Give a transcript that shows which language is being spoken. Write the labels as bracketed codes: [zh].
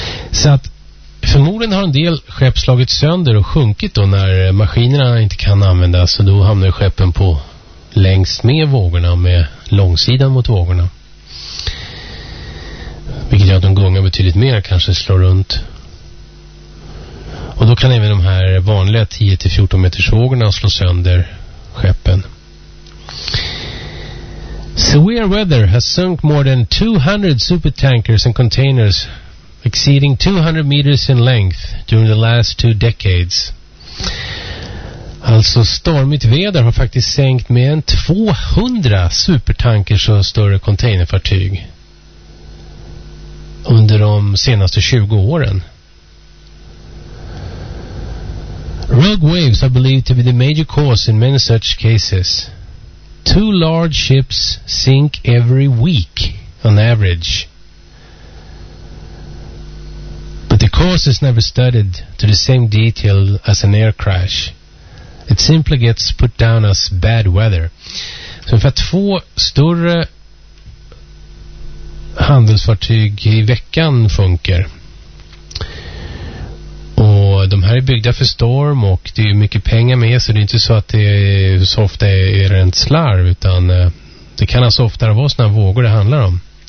[sv] Så att förmodligen har en del skepp slagit sönder och sjunkit då när maskinerna inte kan användas, så då hamnar skeppen på längst med vågorna, med långsidan mot vågorna. Vilket gör att de gungar betydligt mer, kanske slår runt. Och då kan även de här vanliga 10-14 meters vågorna slå sönder skeppen. [en] Severe weather has sunk more than 200 supertankers and containers exceeding 200 meters in length during the last two decades. [sv] Alltså stormigt väder har faktiskt sänkt mer än 200 supertankers och större containerfartyg under de senaste 20 åren. [en] Rogue waves are believed to be the major cause in many such cases. Two large ships sink every week on average. But the cause is never studied to the same detail as an air crash. It simply gets put down as bad weather. [sv] Så ungefär två större handelsfartyg i veckan funkar. Och de här är byggda för storm och det är mycket pengar med, så det är inte så att det så ofta är rent slarv, utan det kan alltså ofta vara sådana vågor det handlar om.